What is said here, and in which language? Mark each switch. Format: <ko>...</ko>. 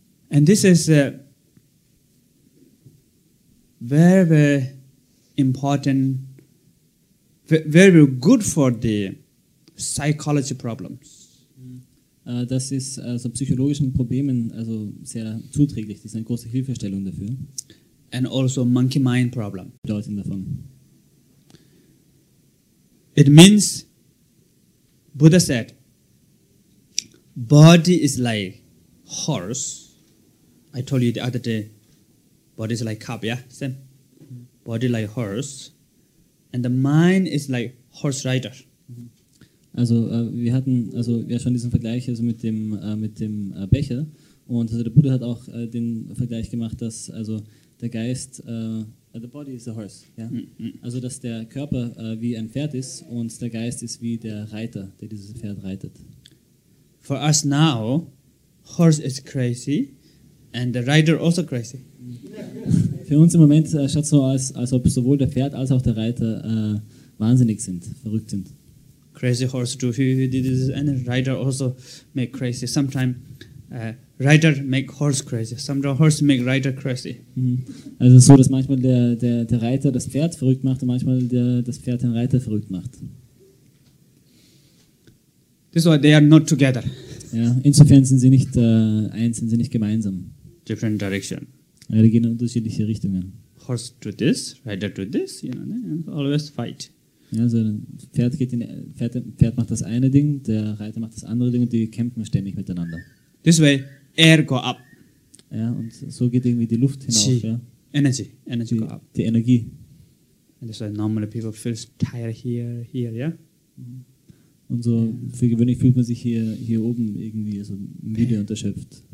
<en>And this is a very, very important, very, very good for the psychology problems.</en> <de>Das ist also psychologischen Problemen also sehr zuträglich. Das ist eine große Hilfestellung dafür.</de> <en>And also monkey mind problem.</en> <de>Bedeutung davon.</de> <en>It means, Buddha said, body is like horse. I told you the other day, body is like cup, yeah? Same. Body like horse. And the mind is like horse rider.</en> <de>Also wir hatten also ja schon diesen Vergleich also mit dem Becher, und also der Buddha hat auch den Vergleich gemacht, dass also der Geist</de> <en>the body is a horse, yeah? Mm-hmm.</en> <de>Also dass der Körper wie ein Pferd ist und der Geist ist wie der Reiter, der dieses Pferd reitet.</de> <en>For us now, horse is crazy and the rider also crazy.</en> <de>Für uns im Moment schaut so aus, als ob sowohl der Pferd als auch der Reiter wahnsinnig sind, verrückt sind.</de> <en>Crazy horse do this, and rider also make crazy. Sometimes rider make horse crazy. Sometimes horse make rider crazy. Mm-hmm.</en> <de>Also so, dass manchmal der Reiter das Pferd verrückt macht und manchmal das Pferd den Reiter verrückt macht.</de> <en>This is why they are not together.</en> <de>Ja, insofern sind sie nicht eins, sind sie nicht gemeinsam.</de> <en>Different direction.</en> <de>Ja, die gehen in unterschiedliche Richtungen.</de> <en>Horse do this, rider do this, you know, and always fight.</en> <de>Also Pferd macht das eine Ding, der Reiter macht das andere Ding und die kämpfen ständig miteinander.</de> <en>This way, air go up.</en> <de>Ja, und so geht irgendwie die Luft hinauf. Ja.</de> <en>Energy go up.</en> <de>Die Energie.</de> <en>And this way, normally people feel tired here, yeah?</en> <de>Und so für gewöhnlich fühlt man sich hier oben irgendwie so müde und erschöpft.</de>